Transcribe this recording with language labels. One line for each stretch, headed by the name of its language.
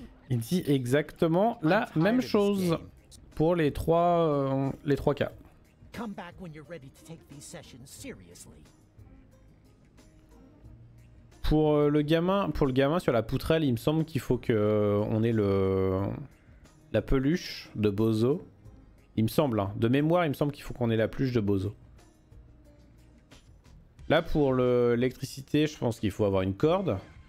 French: Il dit exactement la même chose pour les trois cas.
English: Come back when you're ready to take these sessions seriously.
French: Pour le gamin sur la poutrelle, il me semble qu'il faut que on ait la peluche de Bozo. Il me semble, hein. De mémoire, il me semble qu'il faut qu'on ait la peluche de Bozo. Là, pour l'électricité, je pense qu'il faut avoir une corde.